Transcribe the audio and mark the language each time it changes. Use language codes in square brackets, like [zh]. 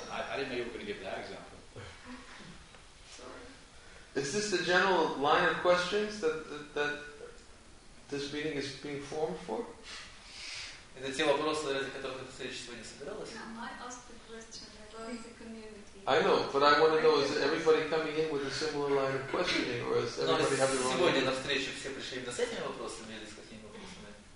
[en] I didn't know you were going to give that example. Sorry. Is this the general line of questions that this meeting is being formed for? [ru] Это те вопросы, ради которых эта встреча сегодня собиралась? [en] Yeah, I asked the question about the community. I know, but I want to know, is everybody coming in with a similar line of questioning, or is everybody having their own... [ru] Сегодня на встречу все пришли именно с этими вопросами или с какими вопросами?